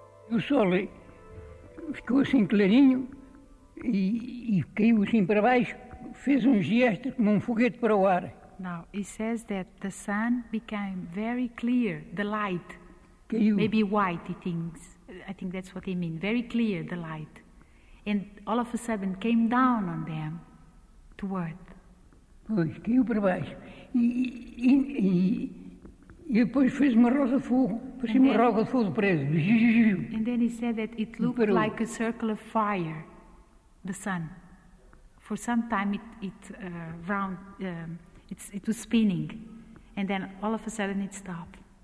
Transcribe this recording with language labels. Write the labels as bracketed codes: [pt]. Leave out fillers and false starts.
[pt] O sol ficou assim clarinho e caiu assim para baixo, fez gesto como foguete para o ar. [en] Now, he says that the sun became very clear, the light. Caiu. Maybe white, he thinks. I think that's what he means. Very clear, the light. And all of a sudden came down on them to earth. [pt] Pois, caiu para baixo. E depois fez uma roda de fogo. Parecia uma roda de fogo de preso. [en] And then he said that it looked like a circle of fire, the sun. For some time it was spinning. And then all of a sudden it stopped.